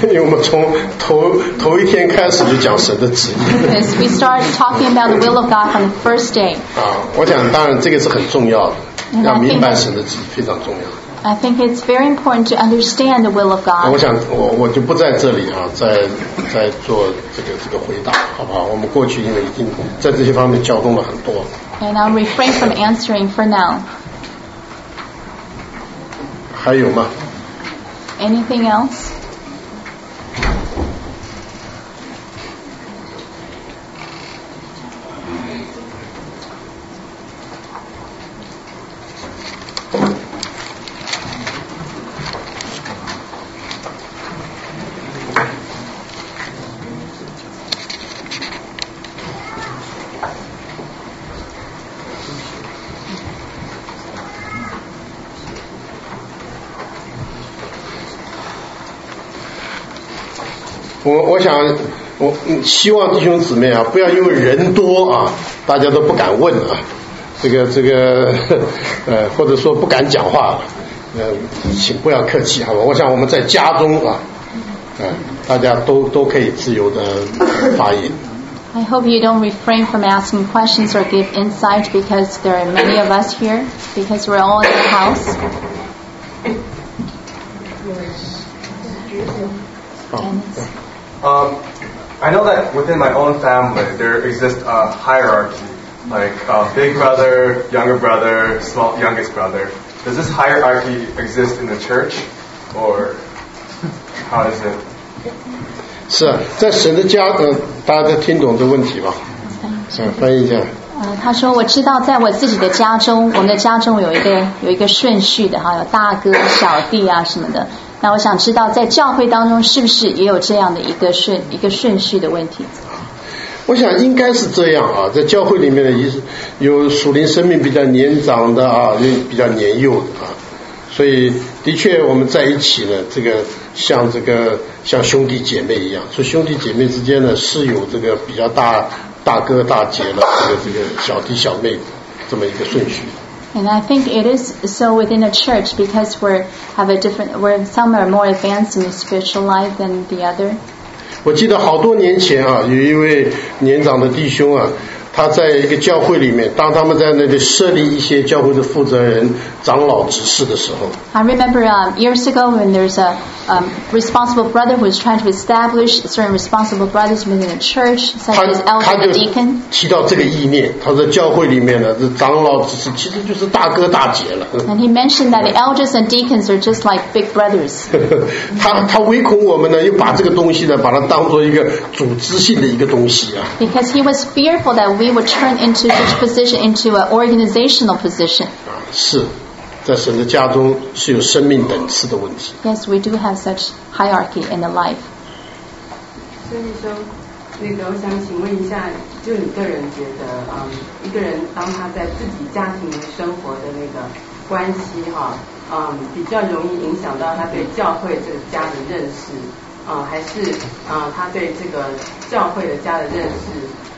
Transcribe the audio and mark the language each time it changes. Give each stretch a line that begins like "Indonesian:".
Chinese: 因为我们从头一天开始就讲神的旨意。
English: Because we start talking about the will of God from the first day.
Chinese: 我想当然这个是很重要的，要明白神的旨意非常重要。
English: I think it's very important to understand the will of God.
Chinese: 我想我就不在这里啊，在做这个回答，好不好？我们过去因为已经在这些方面交通了很多。
English: And I'll refrain from answering for now.
Chinese: 还有吗？
English: Anything else?
Chinese: 我想我希望弟兄姊妹啊，不要因为人多啊，大家都不敢问啊，这个或者说不敢讲话，请不要客气好吧。我想我们在家中啊，大家都可以自由的发言。
English: I hope you don't refrain from asking questions or give insight because there are many of us here because we're all in the house. I know that within my own family there exists a hierarchy, like a big brother, younger brother, small, youngest brother. Does this hierarchy exist in the church, or how is it?
Chinese: 是在神的家，大家都听懂这问题吧？翻译一下。他说我知道在我自己的家中，我们的家中有一个顺序的哈，有大哥小弟啊什么的。那我想知道在教会当中是不是也有这样的一个顺序的问题。我想应该是这样啊，在教会里面的有属灵生命比较年长的啊，比较年幼的啊，所以的确我们在一起呢，像兄弟姐妹一样，所以兄弟姐妹之间呢是有这个比较大哥大姐的这个小弟小妹这么一个顺序。
English: And I think it is so within a church because where some are more advanced in the spiritual life than the other.
Chinese: 我记得好多年前啊，有一位年长的弟兄啊，他在一个教会里面，当他们在那里设立一些教会的负责人、长老、执事的时候。
English: I remember years ago when there's a responsible brother who was trying to establish certain responsible brothers within a church, such as elder and deacon.
Chinese: 他就提到这个意念，他在教会里面呢，这长老、执事其实就是大哥大姐了。
English: And he mentioned that the elders and deacons are just like big brothers.
Chinese: 他唯恐我们呢，又把这个东西呢，把它当作一个组织性的一个东西啊。
English: Because he was fearful that we would turn into such position into an organizational position.
Chinese: 是。在神的家中是有生命等次的问题。
English: Yes, we do have such hierarchy in the life.
Chinese: 所以说，那个我想请问一下，就你个人觉得，一个人当他在自己家庭的生活的那个关系哈，比较容易影响到他对教会这个家的认识，还是他对这个教会的家的认识？